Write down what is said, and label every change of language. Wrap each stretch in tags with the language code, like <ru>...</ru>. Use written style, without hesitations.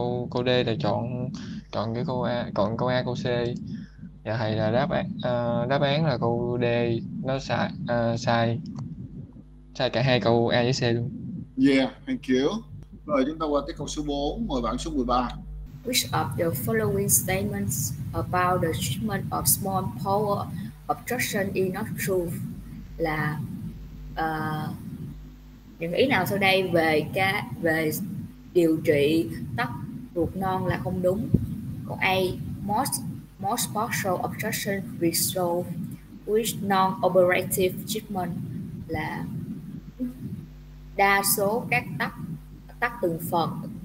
<vi>Câu D là chọn cái câu A, còn câu A câu C. Dạ thầy là đáp án là câu D, nó sai cả hai câu A với C luôn.</vi> <en>Yeah, thank you.</en> <vi>Rồi chúng ta qua tới câu số 4, mời bạn số 13.</vi> <en>Which of the following statements about the treatment of small bowel obstruction is not true?</en> <vi>Là những ý nào sau đây về điều trị tắc ruột non là không đúng? Câu A,</vi> <en>most partial obstruction resolve with non-operative treatment</en> <vi>là đa số các tắc từng phần.</vi>